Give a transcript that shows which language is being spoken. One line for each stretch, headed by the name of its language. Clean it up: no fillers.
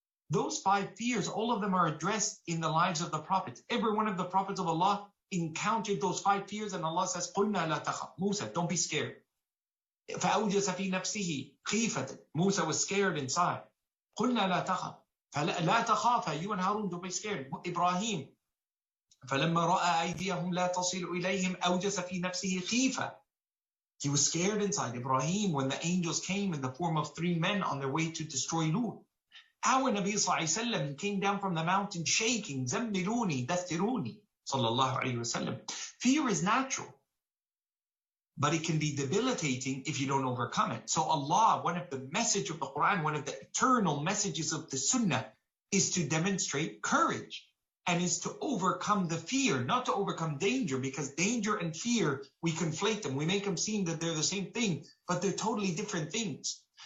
English: Those 5 fears, all of them are addressed in the lives of the prophets. Every one of the prophets of Allah encountered those 5 fears, and Allah says,
Arabic: قُلْنَا لَا تَخَفْ,
English: Musa, don't be scared.
Arabic: فَأَوْجَسَ فِي نَفْسِهِ خِيفَةً,
English: Musa was scared inside.
Arabic: قُلْنَا لَا تَخَفْ, فَلَا تَخَافَ,
English: you and Harun, don't be scared.
Arabic: Ibrahim, فَلَمَّا رَأَى أَيْدِيَهُمْ لَا تَصِلُ إِلَيْهِمْ أَوْجَسَ فِي نَفْسِهِ خِيفَةً.
English: He was scared inside. Ibrahim, when the angels came in the form of 3 men on their way to destroy Lut. Our Nabi Sallallahu Alaihi Wasallam came down from the mountain shaking,
Arabic: Zambiruni, Dathiruni,
English: Sallallahu Alaihi Wasallam. Fear is natural, but it can be debilitating if you don't overcome it. So Allah, one of the message of the Quran, one of the eternal messages of the Sunnah, is to demonstrate courage and is to overcome the fear, not to overcome danger, because danger and fear, we conflate them. We make them seem that they're the same thing, but they're totally different things.